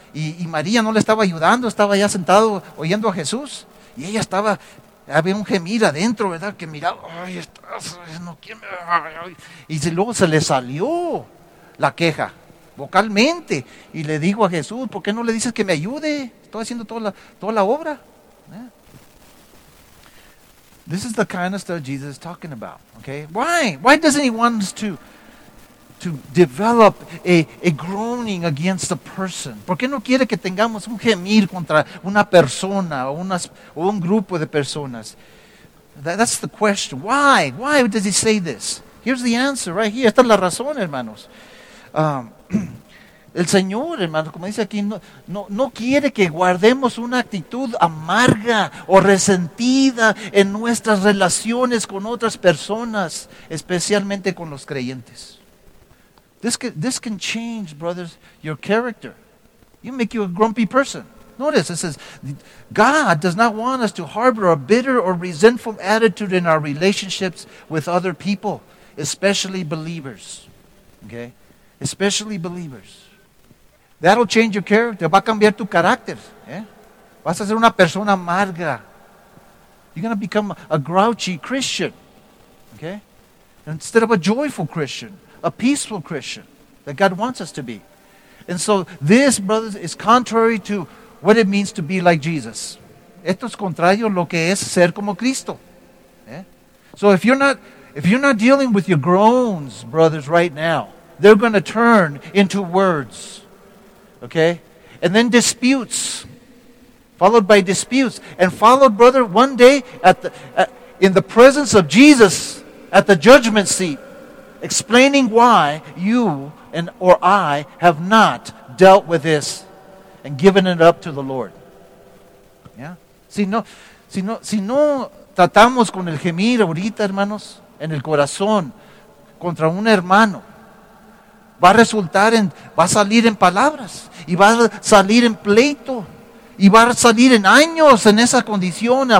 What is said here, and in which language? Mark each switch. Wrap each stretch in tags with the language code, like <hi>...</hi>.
<es>Y María no le estaba ayudando. Estaba ya sentado oyendo a Jesús. Y ella estaba, había un gemir adentro, ¿verdad? Que miraba, ay, estás, no quiero. Y luego se le salió la queja vocalmente y le digo a Jesús, ¿por qué no le dices que me ayude? Estoy haciendo toda la obra. Yeah.</es> <en>This is the kind of stuff Jesus is talking about. Okay, why doesn't he want us to develop a groaning against a person?</en> <es>¿Por qué no quiere que tengamos un gemir contra una persona o un grupo de personas?</es> <en>That's the question. Why does he say this? Here's the answer right here.</en> <es>Esta es la razón, hermanos. El Señor, hermano, como dice aquí, no quiere que guardemos una actitud amarga o resentida en nuestras relaciones con otras personas, especialmente con los creyentes.</es> <en>This can change, brothers, your character. You make you a grumpy person. Notice, it says, God does not want us to harbor a bitter or resentful attitude in our relationships with other people, especially believers. Okay? Especially believers. That'll change your character.</en> <es>Va a cambiar tu carácter. ¿Eh? Vas a ser una persona amarga.</es> <en>You're going to become a grouchy Christian. Okay? Instead of a joyful Christian, a peaceful Christian that God wants us to be. And so this, brothers, is contrary to what it means to be like Jesus.</en> <es>Esto es contrario a lo que es ser como Cristo. ¿Eh?</es> <en>So if you're not dealing with your groans, brothers, right now, they're going to turn into words. Okay? And then disputes, followed by disputes. And followed, brother, one day in the presence of Jesus at the judgment seat, explaining why you or I have not dealt with this and given it up to the Lord. Yeah?</en> <es>Si no tratamos con el gemir ahorita, hermanos, en el corazón, contra un hermano, va a resultar en, va a salir en palabras, y va a salir en pleito, y va a salir en años en esa condición.</es>